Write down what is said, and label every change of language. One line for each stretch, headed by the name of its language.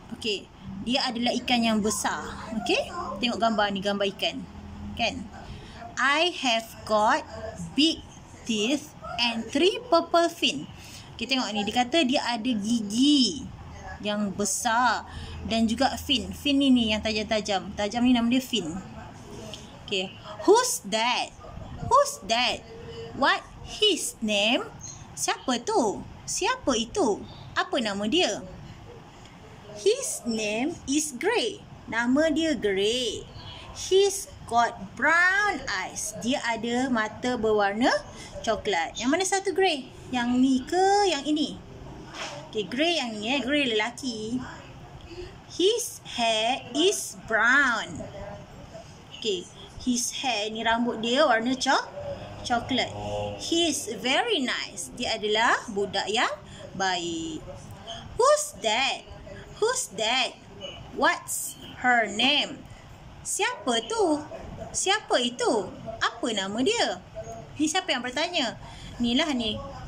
Malay: Okay, dia adalah ikan yang besar. Okay, tengok gambar ni, gambar ikan. Kan?
English: I have got big teeth and 3 purple fin.
Malay: Okay, tengok ni. Dia kata dia ada gigi yang besar dan juga fin. Fin ni yang tajam-tajam. Tajam ni nama dia fin. Okay.
English: Who's that? Who's that? What his name?
Malay: Siapa tu? Siapa itu? Apa nama dia?
English: His name is Gray.
Malay: Nama dia Gray.
English: He's got brown eyes.
Malay: Dia ada mata berwarna coklat. Yang mana satu grey? Yang ni ke yang ini? Okay, grey yang ni. Grey lelaki.
English: His hair is brown.
Malay: Okay,
English: his hair
Malay: ni rambut dia warna coklat.
English: He's very nice.
Malay: Dia adalah budak yang baik.
English: Who's that? Who's that? What's her name?
Malay: Siapa tu? Siapa itu? Apa nama dia? Ni siapa yang bertanya? Inilah ni.